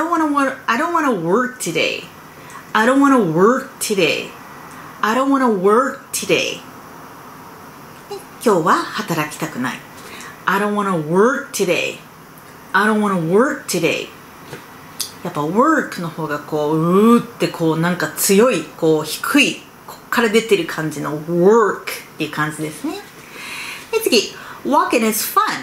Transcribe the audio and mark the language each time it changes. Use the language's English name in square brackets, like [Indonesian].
[English] I don't want to work today. I don't want to work today. I don't want to work today. [Japanese] 今日は働きたくない。 [English] I don't want to work today. I don't want to work today. [Japanese] やっぱ work の方がこううーってこうなんか強いこう低いこっから出てる感じの work っていう感じですね。で、次、 [English] walking is fun.